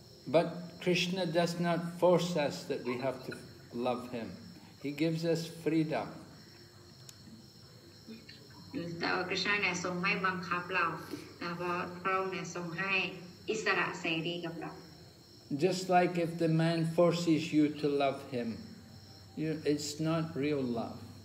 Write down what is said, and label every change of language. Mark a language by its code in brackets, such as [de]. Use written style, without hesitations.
[en] But Krishna does not force us that we have to love him. He gives us freedom. [th] แต่ว่าคริสต์เนี่ยทรงไม่บังคับเราแต่ว่าพระองค์เนี่ยทรงให้ [en] Just like if the man forces you to love him, it's not real love.